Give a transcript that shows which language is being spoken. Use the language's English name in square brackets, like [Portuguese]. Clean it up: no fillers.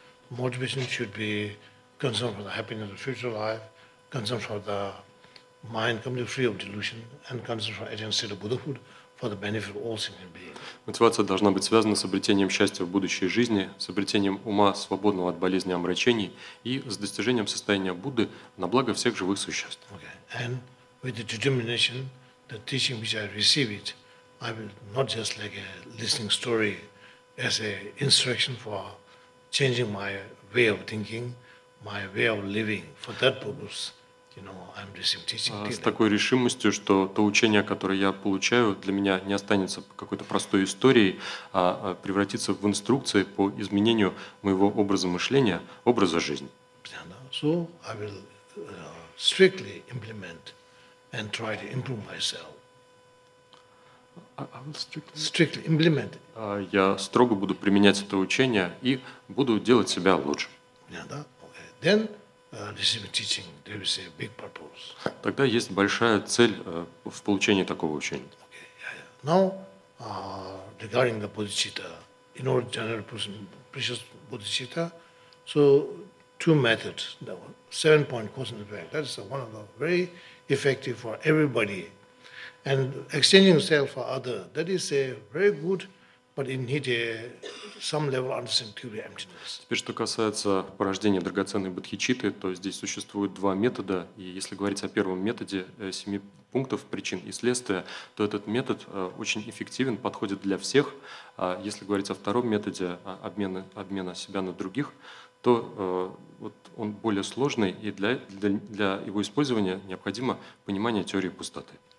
[Russian] Мотивация должна быть связана с обретением счастья в будущей жизни, с обретением ума, свободного от болезни и омрачений, и с достижением состояния Будды на благо всех живых существ. [English] With the determination, the teaching which I receive it, I will not just like a listening story as an instruction for changing my way of thinking, my way of living. For that purpose, you know, I'm receiving teaching. [Russian] С такой решимостью, что то учение, которое я получаю, для меня не останется какой-то простой историей, а превратится в инструкции по изменению моего образа мышления, образа жизни. [English] So I will strictly implement and try to improve myself. I will strictly implement it. [Russian] Я строго буду применять это учение и буду делать себя лучше. [English] Yeah, [Russian] да? [English] Okay. Then receiving teaching, there is a big purpose. [Russian] Тогда есть большая цель в получении такого учения. [English] Okay. Yeah. Now regarding the bodhicitta, in order to generate precious bodhicitta, so two methods, the 7-point cause and effect. That is one of the very effective for everybody, and exchanging self for other. That is a very good, but in need some level understanding to emptiness. [Russian] Теперь, что касается порождения драгоценной бодхичитты, то здесь существуют два метода. И если говорить о первом методе семи пунктов причин и следствия, то этот метод очень эффективен, подходит для всех. А если говорить о втором методе обмена себя на других, то вот он более сложный, и для его использования необходимо понимание теории пустоты.